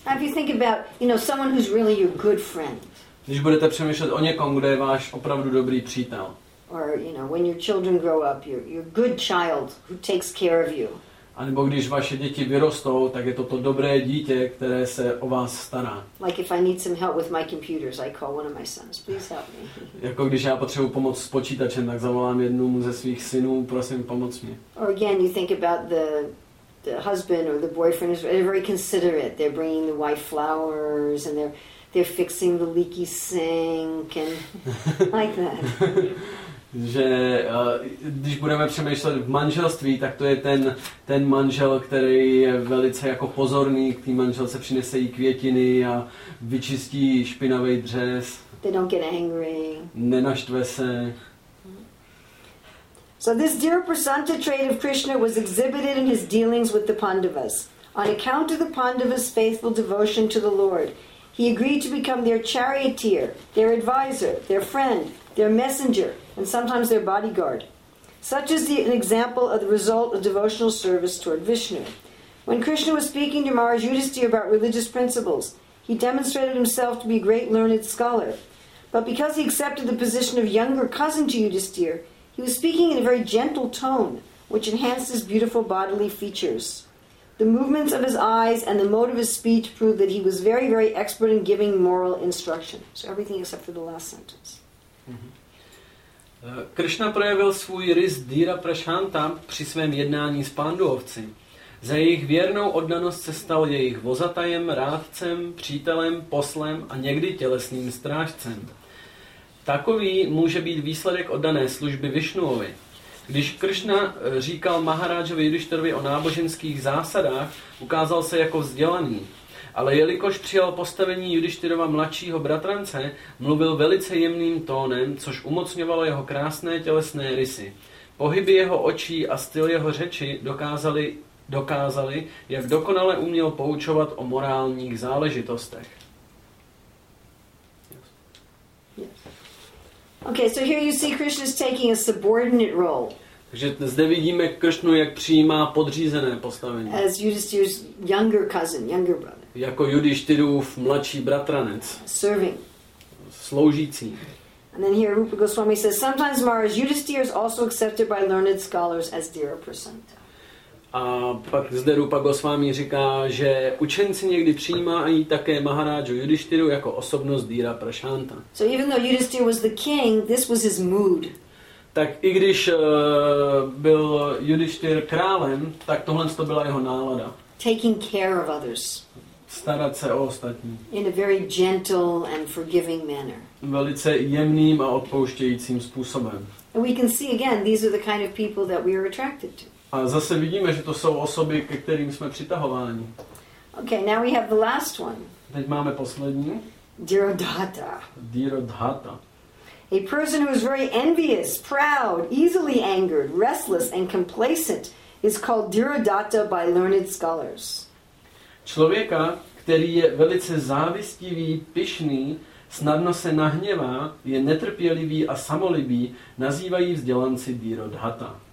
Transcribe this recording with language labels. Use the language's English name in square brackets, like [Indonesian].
[English] If you think about, you know, someone who's really your good friend. [Czech] Když budete přemýšlet o někom, kdo je váš opravdu dobrý přítel. [English] Or, you know, when your children grow up, your good child who takes care of you. [Czech] A nebo když vaše děti vyrostou, tak je to dobré dítě, které se o vás stará. [English] Like if I need some help with my computers, I call one of my sons, please help me. [Czech] Jako když já potřebuji pomoc s počítačem, tak zavolám jednu ze svých synů, prosím, pomoc mi. [English] Or again, you think about the husband or the boyfriend is very considerate. They're bringing the wife flowers and they're fixing the leaky sink and like that. [Czech] Že když budeme přemýšlet v manželství, tak to je ten manžel, který je velice jako pozorný, k té manželce přinese jí květiny a vyčistí špinavý dřez. [English] They don't get angry. [Czech] Nenaštve se. [English] So this Dhira Prashanta trait of Krishna was exhibited in his dealings with the Pandavas. On account of the Pandavas' faithful devotion to the Lord, he agreed to become their charioteer, their advisor, their friend, their messenger, and sometimes their bodyguard. Such is an example of the result of devotional service toward Vishnu. When Krishna was speaking to Maharaj Yudhisthira about religious principles, he demonstrated himself to be a great learned scholar. But because he accepted the position of younger cousin to Yudhisthira, he was speaking in a very gentle tone, which enhanced his beautiful bodily features. The movements of his eyes and the mode of his speech proved that he was very, very expert in giving moral instruction. So everything except for the last sentence. [Czech] Krishna projevil svůj rys Dhira Prashanta při svém jednání s pánduhovci. Za jejich věrnou oddanost se stal jejich vozatajem, rádcem, přítelem, poslem a někdy tělesným strážcem. Takový může být výsledek oddané služby Vishnuovi. Když Krishna říkal Maharajovi Yudhishthirovi o náboženských zásadách, ukázal se jako vzdělaný. Ale jelikož přijal postavení Yudhishthirova mladšího bratrance, mluvil velice jemným tónem, což umocňovalo jeho krásné tělesné rysy. Pohyby jeho očí a styl jeho řeči dokázali, jak dokonale uměl poučovat o morálních záležitostech. [English] Okay, so here you see Krishna's taking a subordinate role. [Czech] Takže zde vidíme Krishnu, jak přijímá podřízené postavení. [English] As Yudhishthira's younger cousin, younger brother. [Czech] Jako Yudhishthirův mladší bratranec. [English] Serving. [Czech] Sloužící. [English] And then here Rupa Goswami says, sometimes Maharaj Yudhishthira is also accepted by learned scholars as Dhira Prashanta. [Czech] A pak zde Rupa Goswami říká, že učenci někdy přijímají také Maharaju Yudhishthiru jako osobnost Dhira Prashanta. [English] So even though Yudhishthira was the king, this was his mood. [Czech] Tak i když byl Yudhishthir králem, tak tohle to byla jeho nálada. [English] Taking care of others. [Czech] Starat se o ostatní. [English] In a very gentle and forgiving manner. [Czech] Velice jemným a odpouštějícím způsobem. [English] And we can see again, these are the kind of people that we are attracted to. [Czech] A zase vidíme, že to jsou osoby, ke kterým jsme přitahováni. [English] Okay, now we have the last one. [Czech] Teď máme poslední. [English] Dhiradatta. [Czech] Dhiradatta. [English] A person who is very envious, proud, easily angered, restless and complacent is called Dhiradatta by learned scholars. [Czech] Člověka, který je velice závistivý, pyšný, snadno se nahněvá, je netrpělivý a samolibý, nazývají vzdělanci Dhiradatta.